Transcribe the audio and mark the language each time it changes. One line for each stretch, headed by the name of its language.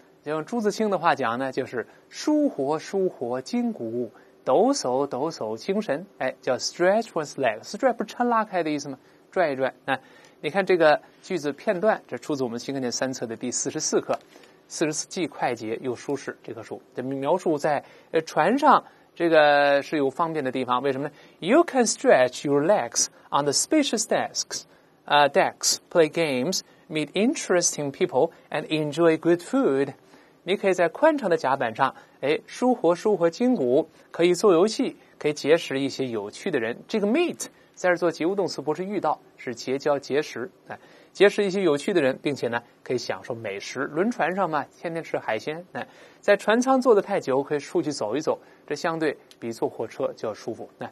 Chinese: 用朱自清的话讲呢，就是舒活舒活筋骨，抖擞抖擞精神，叫
English: stretch one's leg，
Chinese: stretch 不是抻拉开的意思吗，拽一拽。你看这个句子片段，这出自我们新概念三册的第44课，44既快捷又舒适，这棵树这描述在船上这个是有方便的地方。为什么呢？
English: You can stretch your legs on the spacious decks, play games, meet interesting people, and enjoy good food.
Chinese: 你可以在宽敞的甲板上舒活舒活筋骨，可以做游戏，可以结识一些有趣的人。这个 meet在这做及物动词，不是遇到，是结交结识，结识一些有趣的人，并且呢可以享受美食。轮船上嘛，天天吃海鲜，在船舱坐得太久可以出去走一走，这相对比坐火车就要舒服。